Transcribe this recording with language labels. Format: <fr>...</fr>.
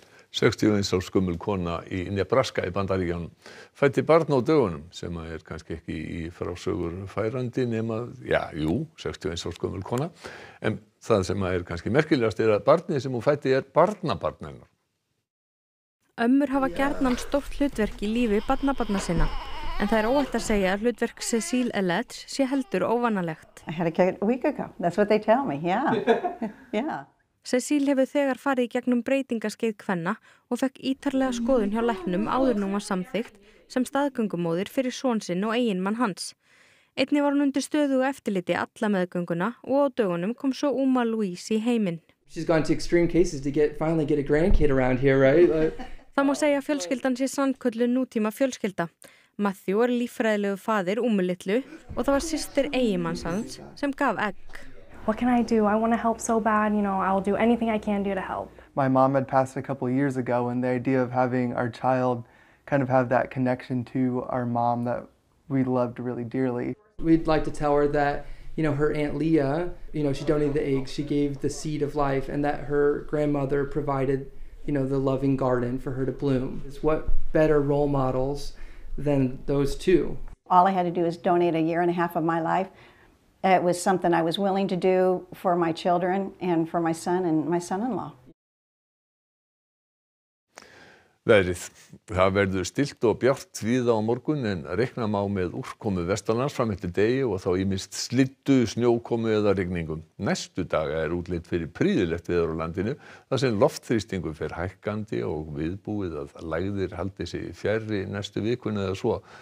<is>61 árs gömul kona í Nebraska í Bandaríkjunum fæddi barn á dögunum sem er kannski ekki í frásögur færandi nema, já, jú, 61 árs gömul kona. En það sem er kannski merkilegast er að barnið sem hún fæddi er barnabarn hennar. Ömmur hafa gjarnan stórt hlutverk í lífi barnabarna sinna. En það er óhætt að segja að hlutverk Cecile Eletz sé heldur óvanalegt.</is> <en>I had a kid a week ago. That's what they tell me, yeah.</en> <is>Cecile hefur þegar farið í gegnum breytingaskeið kvenna og fekk ítarlega skoðun hjá læknum áður nú var samþykkt sem staðgöngumóðir fyrir son sinn og eiginmann hans. Einnig var hún undir stöðu og eftirliti alla meðgönguna og á dögunum kom svo Uma Louise í heiminn.</is> <en>She's gone to extreme cases to finally get a grandkid around here, right?</en> <is>Það má segja að fjölskyldan sé sannkölluð nútíma fjölskylda. Matthew er líffræðilegu faðir Úmu litlu og það var systir eiginmanns hans sem gaf egg.</is> <en>What can I do? I want to help so bad, you know, I'll do anything I can do to help. My mom had passed a couple of years ago and the idea of having our child kind of have that connection to our mom that we loved really dearly. We'd like to tell her that, you know, her aunt Leah, you know, she donated the eggs, she gave the seed of life and that her grandmother provided, you know, the loving garden for her to bloom. It's what better role models than those two. All I had to do is donate a year and a half of my life. It was something I was willing to do for my children and for my son and my son-in-law.</en> <is>Veðrið. Það verður stillt og bjart víða á morgun en reikna má með úrkomu vestanlands fram eftir degi og þá ýmist slyddu, snjókomu eða rigningu. Næstu daga er útlit fyrir prýðilegt veður á landinu þar sem loftþrýstingur fer hækkandi og viðbúið að lægðir haldi sig fjærri næstu vikun eða svo.</is>